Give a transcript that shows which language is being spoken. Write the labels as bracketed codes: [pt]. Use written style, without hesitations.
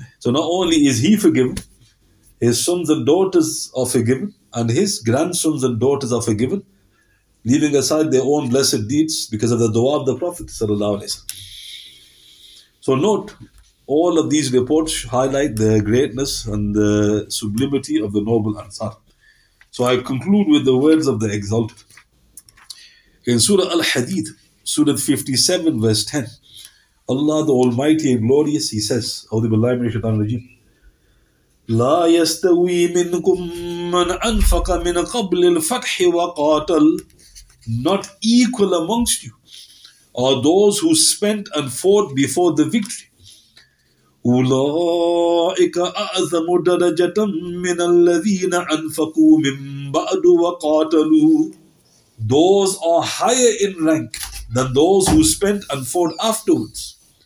[en] So not only is he forgiven, his sons and daughters are forgiven, and his grandsons and daughters are forgiven, leaving aside their own blessed deeds because of the dua of the Prophet, sallallahu alayhi wa sallam. So note, all of these reports highlight the greatness and the sublimity of the noble Ansar. So I conclude with the words of the exalted. In Surah Al-Hadid, Surah 57, verse 10, Allah the Almighty and Glorious, He says, [ar] أَوْذِ بِاللَّهِ مِنْ شَيْطَانِ الرَّجِيمِ لَا يَسْتَوِي مِنْكُمْ مَنْ أَنْفَقَ مِنْ قَبْلِ الْفَتْحِ وَقَاتَلْ. [en] Not equal amongst you are those who spent and fought before the victory. [ar] أُولَٰئِكَ أَعْظَمُ دَرَجَةً مِّنَ الَّذِينَ أَنْفَقُوا مِنْ بَعْدُ وَقَاتَلُوا. [en] Those are higher in rank than those who spent and fought afterwards.